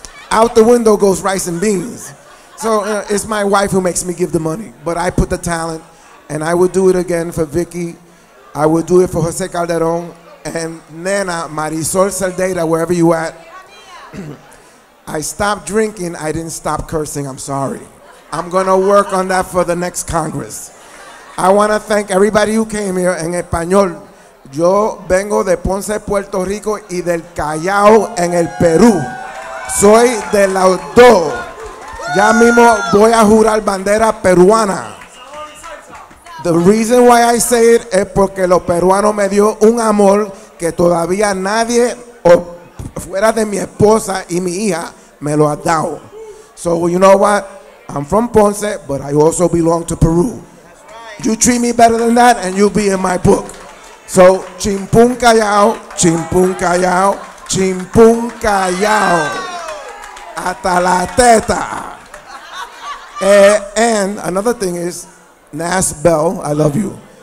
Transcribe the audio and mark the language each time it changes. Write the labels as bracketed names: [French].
[English] Out the window goes rice and beans. So it's my wife who makes me give the money, but I put the talent, and I would do it again for Vicky. I would do it for Jose Calderon and Nena Marisol Saldeira, wherever you at. I stopped drinking. I didn't stop cursing. I'm sorry. I'm going to work on that for the next Congress. I want to thank everybody who came here [Spanish] en español. Yo vengo de Ponce, Puerto Rico y del Callao en el Perú. Soy de la Odo. Ya mismo voy a jurar bandera peruana. [English] The reason why I say it [Spanish] es porque los peruanos me dio un amor que todavía nadie o fuera de mi esposa y mi hija me lo ha dado. [English] So you know what? I'm from Ponce, but I also belong to Peru. You treat me better than that and you'll be in my book. [Spanish] So chimpun callao, chimpun callao, chimpun callao. Hasta la teta. [English] And another thing is, Nas Bell, I love you.